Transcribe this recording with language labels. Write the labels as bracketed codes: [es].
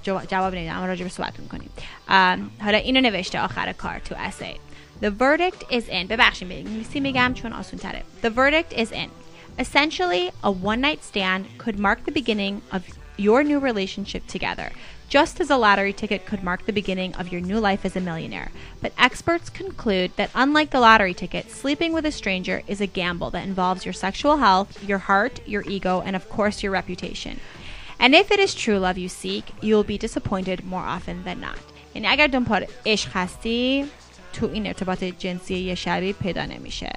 [fa] جواب نمیدم، اما راجب صحبت می کنیم. حالا اینو نوشته آخر کار تو اسی. [en] The verdict is in. [fa] ببخشیم به انگلیسی میگم چون آسون تره. [en] The verdict is in. Essentially, a one-night stand could mark the beginning of your new relationship together, just as a lottery ticket could mark the beginning of your new life as a millionaire. But experts conclude that unlike the lottery ticket, sleeping with a stranger is a gamble that involves your sexual health, your heart, your ego, and of course your reputation. And if it is true love you seek, you will be disappointed more often than not. [fa] یعنی اگر دنبال عشق هستی تو این ارتباط جنسی یه شبی پیدا نمیشه.